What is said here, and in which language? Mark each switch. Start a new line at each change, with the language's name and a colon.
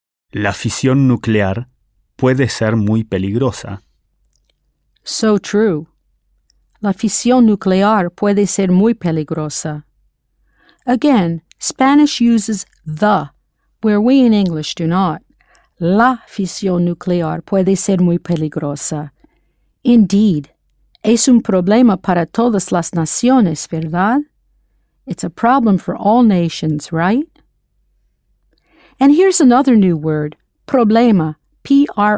Spanish: La fisión nuclear puede ser muy peligrosa.
English: So true.
Spanish: La fisión nuclear puede ser muy peligrosa.
English: Again, Spanish uses the, where we in English do not.
Spanish: La fisión nuclear puede ser muy peligrosa. Indeed, es un problema para todas las naciones, ¿verdad?
English: It's a problem for all nations, right? And here's another new word, problema, P-R-O-B-L-E-M-A.